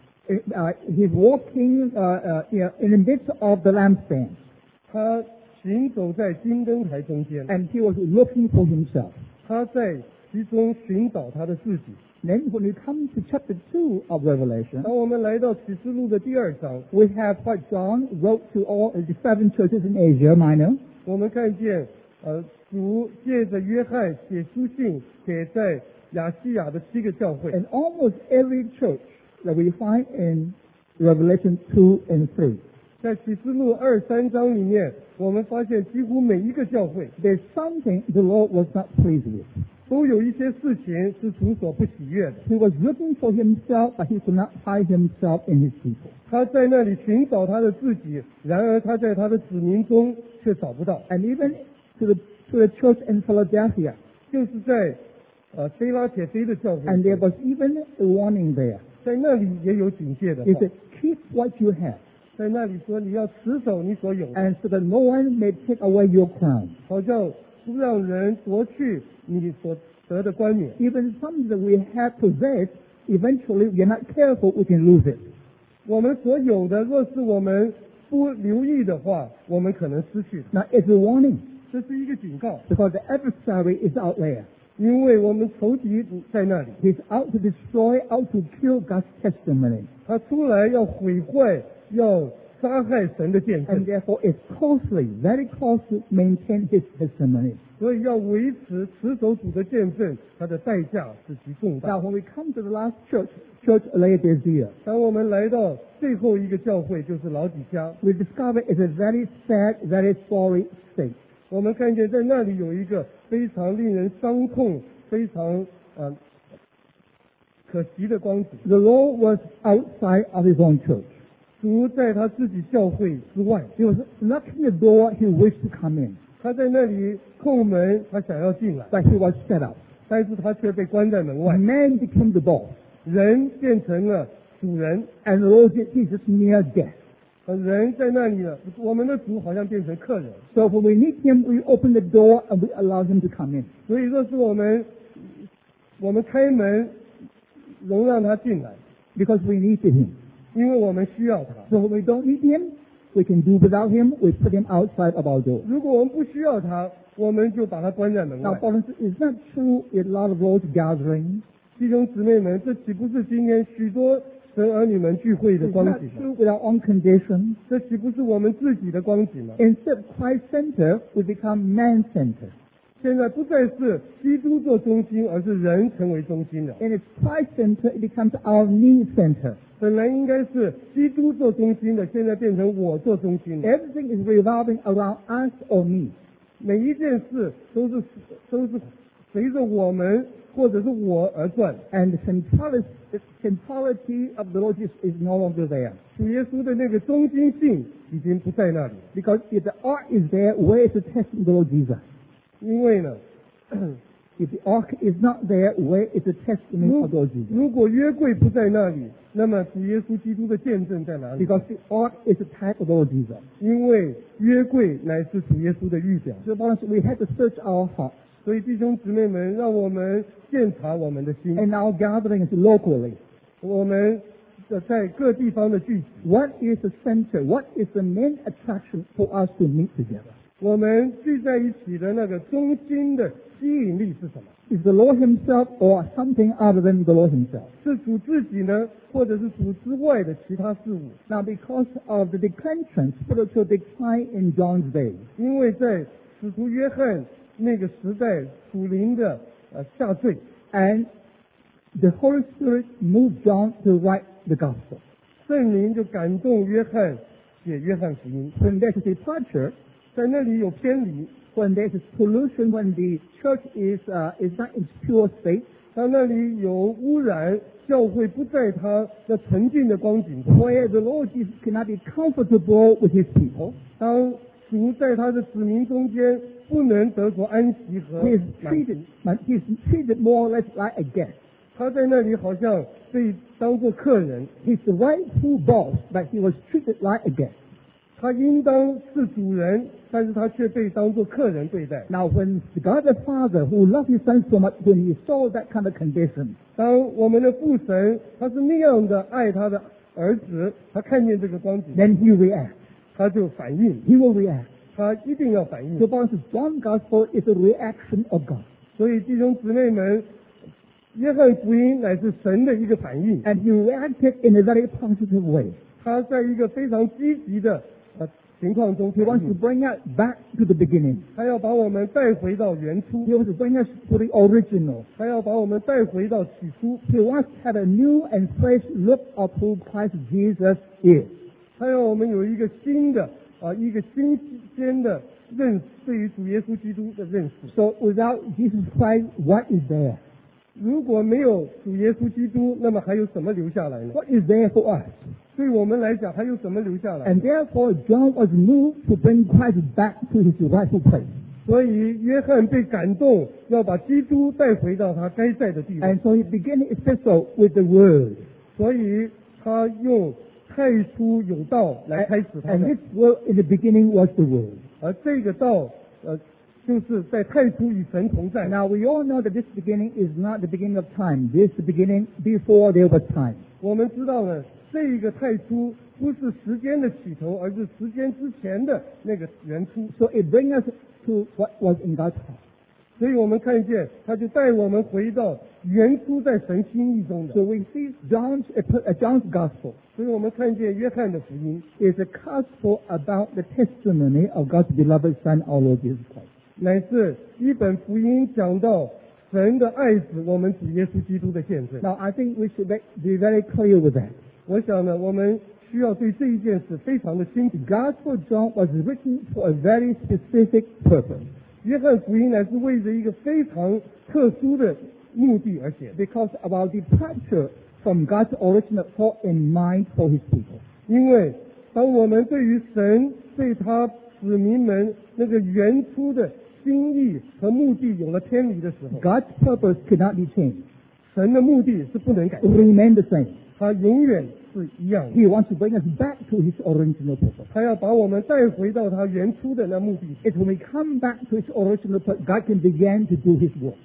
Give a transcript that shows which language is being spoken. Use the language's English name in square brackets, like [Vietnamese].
[English] He was walking in the midst of the lampstand. [Chinese] 他行走在金灯台中间。 [English] And he was looking for himself. [Chinese] 他在其中寻找他的自己。 [English] Then when we come to chapter 2 of Revelation, [Chinese] 当我们来到启示录的第二章, [English] we have what John wrote to all the seven churches in Asia Minor. [Chinese] 我们看见, 主借着约翰写书信给在亚细亚的七个教会。 [English] And almost every church that we find in Revelation 2 and 3. [Chinese] 在启示录二三章里面, 我们发现几乎每一个教会, [English] there's something the Lord was not pleased with. [Chinese] 都有一些事情是主所不喜悦的。 [English] He was looking for himself, but he could not hide himself in his people. [Chinese] 他在那里寻找他的自己，然而他在他的子民中却找不到。 [English] And even to the church in Philadelphia, [Chinese] 就是在腓拉铁菲的教会。 [English] And there was even a warning there. [Chinese] 在那里也有警戒的。 [English] He said, "Keep what you have." [Chinese] 在那里说你要持守你所有的。 [English] And so that no one may take away your crown. [Chinese] 好像不让人夺去。你所得的冠冕 [English] Even something that we have possessed, eventually we are not careful, we can lose it. [Chinese] 我们所有的，若是我们不留意的话，我们可能失去的。 [English] Now it's a warning. [Chinese] 这是一个警告。 [English] Because the adversary is out there. [Chinese] 因为我们仇敌在那里。 [English] He's out to destroy, out to kill God's testimony. [Chinese] 他出来要毁坏，要杀害神的见证。 [English] And therefore it's costly, very costly to maintain his testimony. [Chinese] 所以要维持持守主的见证，它的代价是极重大。 [English] Now when we come to the last church, Church Laodicea. [Chinese] 当我们来到最后一个教会，就是老底家。 [English] We discover it's a very sad, very sorry state. [Chinese] 我们看见在那里有一个非常令人伤痛、非常可惜的光景。 [English] The Lord was outside of his own church. [Chinese] 主在他自己教会之外。 [English] He was knocking the door he wished to come in. [Chinese] 他在那里叩门，他想要进来。 [English] But he was shut out. [Chinese] 但是他却被关在门外。 [English] Man became the boss. [Chinese] 人变成了主人。 [English] And the Lord Jesus near death. [Chinese] 人在那里了，我们的主好像变成客人。 [English] So when we meet him, we open the door and we allow him to come in. [Chinese] 所以这是我们开门，容让他进来。 [English] Because we needed him. [Chinese] 因为我们需要他。 [English] So when we don't need him,We can do without him, we put him outside of our door. [Chinese] 如果我们不需要他，我们就把他关在门外。 [English] Now, brothers, is that true in a lot of those gatherings? [Chinese] 弟兄姊妹们，这岂不是今天许多神儿女们聚会的光景吗？ [English] Is that true with our own condition? [Chinese] 这岂不是我们自己的光景吗？ [English] Instead of Christ-centered, we become man-centered. [Chinese] 现在不再是基督做中心，而是人成为中心了。 [English] And if Christ-centered, it becomes our need-centered. [Chinese] 本来应该是基督做中心的，现在变成我做中心的。 [English] Everything is revolving around us or me. [Chinese] 每一件事都是随着我们或者是我而转。 [English] And the centrality of the Lord Jesus is no longer there. [Chinese] 主耶稣的那个中心性已经不在那里。 [English] Because if the ark is there, where is the testimony of the Lord Jesus? [Chinese] 因为呢 [English] If the ark is not there, where is the testimony of the Lord Jesus? [Chinese] 如果约柜不在那里那么主耶稣基督的见证在哪里 [English] Because the ark is a type of the Lord Jesus. [Chinese] 因为约柜乃是主耶稣的预表 [English] So, brothers, we had to search our hearts. [Chinese] 所以弟兄姊妹们让我们检查我们的心 [English] And our gathering is locally. [Chinese] 我们在各地方的聚集 [English] What is the center? What is the main attraction for us to meet together? [Chinese] 我们聚在一起的那个中心的吸引力是什么 [English] Is the Lord himself or something other than the Lord himself? [Chinese] 是主自己呢或者是主之外的其他事物 [English] Now because of the declension spiritual decline in John's day [Chinese] 因为在使徒约翰那个时代属灵的下坠 [English] And the Holy Spirit moved John to write the gospel [Chinese] 圣灵就感动约翰写约翰福音 [English] When there's a departure [Chinese] 在那里有偏离 [English] when there is pollution, when the church is not in pure state, [Chinese] 在那里有污染，教会不在他的纯净的光景中。 [English] Where the Lord Jesus cannot be comfortable with His people, [Chinese] 当主在他的子民中间不能得着安息和满足。 [English] He is treated more or less like a guest. [Chinese] 他在那里好像被当作客人。 [English] He's the rightful boss, but he was treated like a guest. [Chinese] 他应当是主人，但是他却被当作客人对待。 [English] Now when God the Father, who loved His Son so much, when He saw that kind of condition, [Chinese] 当我们的父神他是那样的爱他的儿子，他看见这个光景， [English] then He reacts. [Chinese] 他就反应。 [English] He will react. [Chinese] 他一定要反应。 [English] So John's Gospel is a reaction of God. [Chinese] 所以弟兄姊妹们，约翰福音乃是神的一个反应。 [English] And He reacted in a very positive way. [Chinese] 他在一个非常积极的情况中， [English] He wants to bring us back to the beginning. [Chinese] 他要把我们带回到原初。 [English] He wants to bring us to the original. [Chinese] 他要把我们带回到起初。 [English] He wants to have a new and fresh look of who Christ Jesus is. [Chinese] 他要我们有一个新的一个新鲜的认识，对于主耶稣基督的认识。 [English] So without Jesus Christ, what is there? [Chinese] 如果没有主耶稣基督，那么还有什么留下来呢？ [English] What is there for us? [Chinese] 对我们来讲还有什么留下来？ [English] And therefore John was moved to bring Christ back to his rightful place. [Chinese] 所以约翰被感动要把基督带回到他该在的地方。 [English] And so he began his epistle with the word. [Chinese] 所以他用太初有道来开始他的。 [English] And this word in the beginning was the word. [Chinese] 而这个道就是在太初与神同在。 [English] Now we all know that this beginning is not the beginning of time. This is the beginning before there was time. [Chinese] 我们知道了这一个太初不是时间的起头，而是时间之前的那个原初。 [English] So it brings us to what was in God's heart. [Chinese] 所以我们看见他就带我们回到原初在神心意中的。 [English] So we see John's gospel. [Chinese] 所以我们看见约翰的福音 [English] is a gospel about the testimony of God's beloved Son, our Lord Jesus Christ. [Chinese] 乃是一本福音讲到神的爱子，我们主耶稣基督的见证。 [English] Now I think we should be very clear with that. [Chinese] 我想呢，我们需要对这一件事非常的清楚。 [English] Gospel John was written for a very specific purpose. [Chinese] 约翰福音乃是为着一个非常特殊的目的而写。 [English] Because of our departure from God's original thought in mind for His people. [Chinese] 因为当我们对于神对他子民们那个原初的心意和目的有了偏离的时候 [English] ，God's purpose cannot be changed. [Chinese] 神的目的是不能改变。 [English] Remain the same. [Chinese] 他永远是一样的。 [English] He wants to bring us back to his original purpose. [Chinese] 他要把我们带回到他原初的那目的。 [English] It's when we come back to his original purpose, God can begin to do his work.